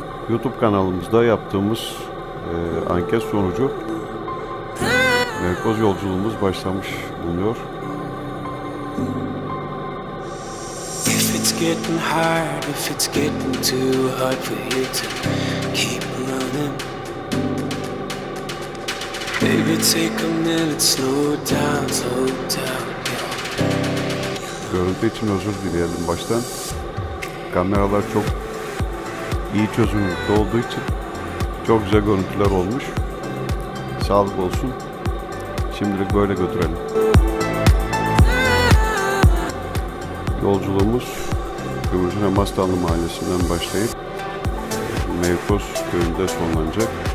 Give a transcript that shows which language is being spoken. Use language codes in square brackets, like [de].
[tr] YouTube kanalımızda yaptığımız anket sonucu Mehrikoz yolculuğumuz başlamış bulunuyor. [en] If it's getting hard, if it's getting too hard for you to keep running, baby take a minute, slow down, slow down. [tr] Görüntü için özür dileyelim baştan. Kameralar çok iyi çözünürlükte olduğu için çok güzel görüntüler olmuş. Sağlık olsun. Şimdilik böyle götürelim. Yolculuğumuz Gümrüz'ün Hamastanlı Mahallesi'nden başlayıp Mehrikoz köyünde sonlanacak.